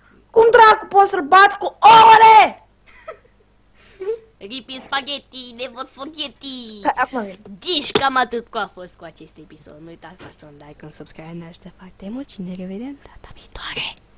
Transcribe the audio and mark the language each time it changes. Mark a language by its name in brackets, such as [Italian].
[Romanian] Cum dracu poți să-l bat cu ouăle? [English] Rip in spaghetti, never forget it! [Romanian] Deci cam atât cu a fost cu acest episod. Nu uitați să dați un like, un subscribe, ne ajută foarte mult și ne revedem data viitoare!